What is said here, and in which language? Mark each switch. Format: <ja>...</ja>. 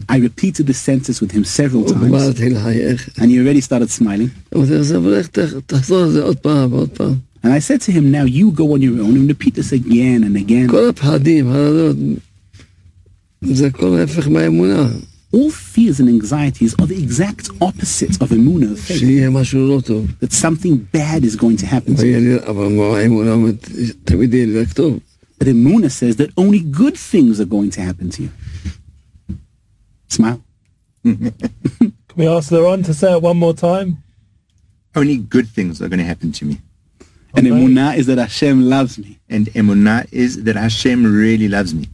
<en>I repeated the sentence with him several times.</en> <he>הוא מתחיל לחייך.</he> <en>And he already started smiling.</en> <he>הוא אומר, תחזור על זה עוד פעם ועוד פעם.</he> <en>And I said to him, now you go on your own and repeat this again and again.</en> <he>כל הפחדים, הרדות, זה כל ההפך מהאמונה.</he> <en>All fears and anxieties are the exact opposite of emunah, of faith.</en> <he>שיהיה משהו לא טוב.</he> <en>That something bad is going to happen to you.</en> <he>אבל האמונה אומרת, תמיד יהיה לי רק טוב.</he> <en>But Emunah says that only good things are going to happen to you. Smile. Can we ask Laurent to say it one more time? Only good things are going to happen to me. Okay. And Emunah is that Hashem loves me. And Emunah is that Hashem really loves me.</en>